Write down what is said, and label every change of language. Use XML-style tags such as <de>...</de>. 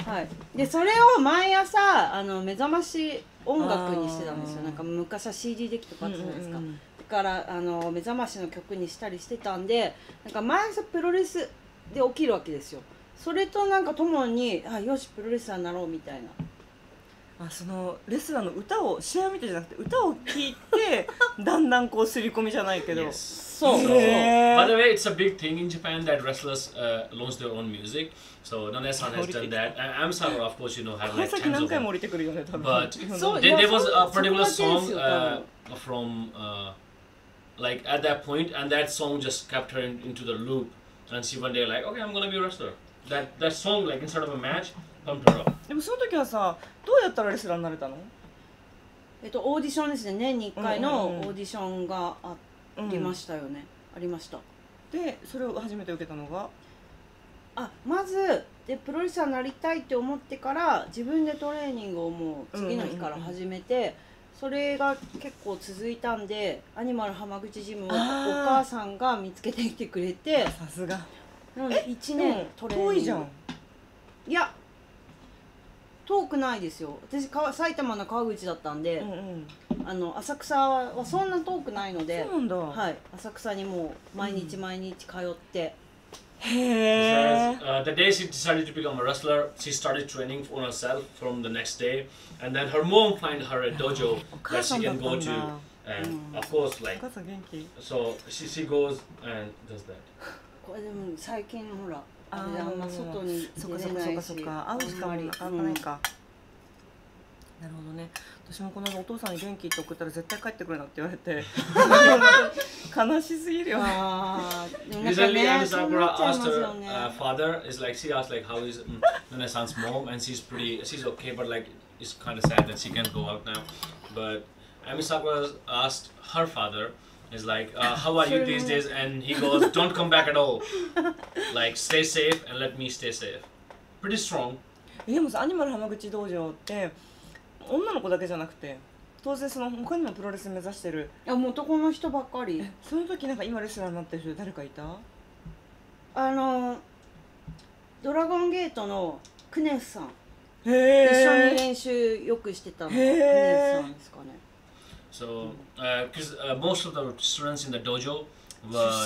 <ja>はい、でそれを毎朝あの目覚まし音楽にしてたんですよ。なんか昔は CD デッキとかあったじゃないですか、うんうんうん、だからあの目覚ましの曲にしたりしてたんで、なんか毎朝プロレスで起きるわけですよ。それとなんかともに、あ、よしプロレスラーになろうみたいな。あ、そのレスラーの歌を、試合を見てじゃなくて歌を聴いてだんだんこう擦り込みじゃないけど、</ja> <en>yes.</en> <ja>そう、</ja> <en>so, by the way, it's a big thing in Japan that wrestlers launch their own music. So Nanai-san has done that. AM-san, of course, you know, had like tens of them. But there was a particular song from like at that point, and that song just kept her into the loop. And she one day like, okay, I'm gonna be a wrestler. That song, like, instead of a match, pumped her up.</en> <ja>でもその時はさ、どうやったらレスラーになれたの？オーディションですね。年に1回のオーディションがありましたよね。うんうん、ありました。で、それを初めて受けたのが？あ、まず、でプロレスラーになりたいって思ってから、自分でトレーニングをもう次の日から始めて、うんうんうんうん、それが結構続いたんで、アニマル浜口ジムをお母さんが見つけてきてくれて、さすが。 1年トレーニング、遠いじゃん。いや、遠くないですよ。私か埼玉の川口だったんで、うんうん、あの浅草はそんな遠くないので。そうなんだ。はい、浅草にもう毎日毎日通って、うん、へ</ja> <en>え。 The day she decided to become a wrestler, she started training on herself from the next day, and then her mom find her a dojo that she can go to, and of course like,</en> <ja>お母さん元気。</ja> <en>So she goes and does that.</en> <ja>これでも最近ほらあれであんま外に出れないし、そっかそっかそっか、会う人もなかなかないか、うん、なるほどね。私もこの間お父さんに元気って送ったら絶対帰ってくるなって言われて悲しすぎるよ。あ</ja> <en>ね、usually Anna's Barbara asked her father is like she asked like how is Nana-san's mom and she's pretty she's okay but like it's kind of sad that she can't go out now. But Anna's Barbara asked her father is like how are you these days and he goes don't come back at all like stay safe and let me stay safe. Pretty strong.</en> <ja>でもさ、アニマル浜口道場って女の子だけじゃなくて当然その他にもプロレス目指してる、いやもう男の人ばっかり。その時なんか今レスラーになってる人誰かいた？あのドラゴンゲートのクネスさん、へ一緒に練習よくしてたのクネスさんですかね。</ja> <en>So, because most of the students in the dojo was</en>